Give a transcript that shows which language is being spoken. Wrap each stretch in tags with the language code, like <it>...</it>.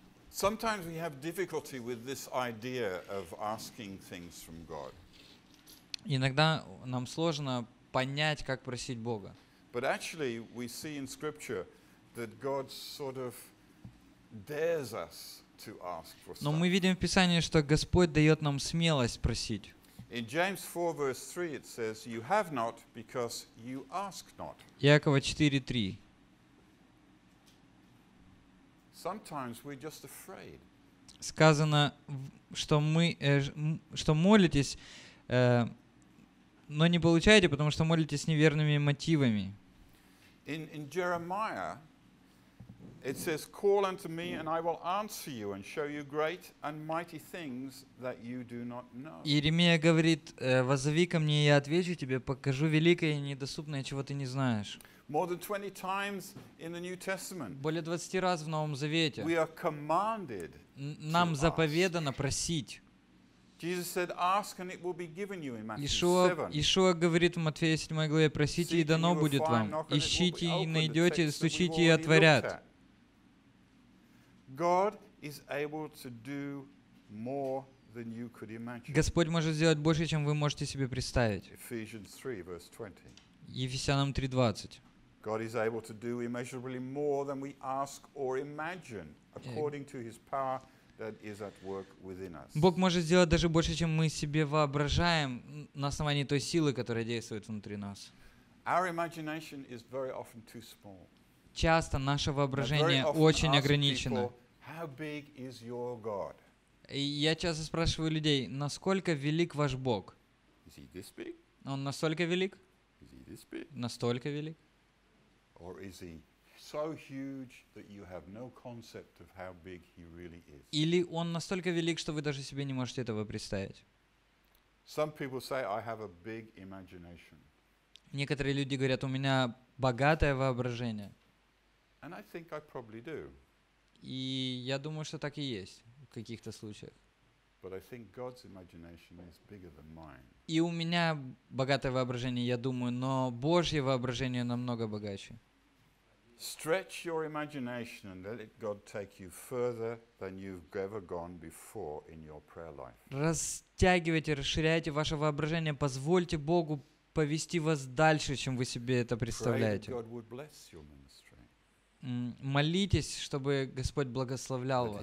<en>Sometimes we have difficulty with this idea of asking things from God.</en> <ru>Иногда нам сложно понять, как просить Бога.</ru> <en>But actually, we see in Scripture that God sort of dares us to ask for stuff.</en> <ru>Но мы видим в Писании, что Господь дает нам смелость просить.</ru> <en>In James 4, verse 3, it says, "You have not because you ask not."</en> <ru>Иакова 4:3.</ru> <en>Sometimes we're just afraid.</en> <ru>Сказано, что мы, что молитесь, но не получаете, потому что молитесь неверными мотивами.</ru> <en>In Jeremiah, it says, "Call unto me, and I will answer you, and show you great and mighty things that you do not know."</en> <ru>Иеремия говорит, «Воззови ко мне, и я отвечу тебе, покажу великое и недоступное, чего ты не знаешь».</ru> <en>More than 20 times in the New Testament.</en> <ru>Более 20 раз в Новом Завете.</ru> <en>We are commanded.</en> <ru>Нам заповедано просить.</ru> <en>Jesus said, "Ask and it will be given you." In Matthew 7.</en> <ru>Иешуа говорит в Матфея 7 главе: «Просите и дано будет вам. Ищите и найдете. Стучите и отворят».</ru> <en>God is able to do more than you could imagine.</en> <ru>Господь может сделать больше, чем вы можете себе представить.</ru> <en>Ephesians 3, verse 20.</en> <ru>Ефесянам 3:20.</ru> <en>God is able to do immeasurably more than we ask or imagine, according to His power that is at work within us.</en> <ru>Бог может сделать даже больше, чем мы себе воображаем, на основании той силы, которая действует внутри нас.</ru> <en>Our imagination is very often too small.</en> <ru>Часто наше воображение очень ограничено.</ru> <en>How big is your God?</en> <ru>Я часто спрашиваю людей, насколько велик ваш Бог?</ru> <en>Is He this big?</en> <ru>Он настолько велик?</ru> <en>Is He this big?</en> <ru>Настолько велик?</ru> <en>Or is He so huge that you have no concept of how big He really is?</en> <ru>Или он настолько велик, что вы даже себе не можете этого представить?</ru> <en>Some people say I have a big imagination.</en> <ru>Некоторые люди говорят, у меня богатое воображение.</ru> <en>And I think I probably do.</en> <ru>И я думаю, что так и есть в каких-то случаях.</ru> <en>But I think God's imagination is bigger than mine.</en> <ru>И у меня богатое воображение, я думаю, но Божье воображение намного богаче.</ru> <en>Stretch your imagination and let God take you further than you've ever gone before in your prayer life.</en> <ru>Растягивайте, расширяйте ваше воображение, позвольте Богу повести вас дальше, чем вы себе это представляете.</ru> <en>Pray God would bless your ministry.</en> <ru>Молитесь, чтобы Господь благословлял вас.</ru>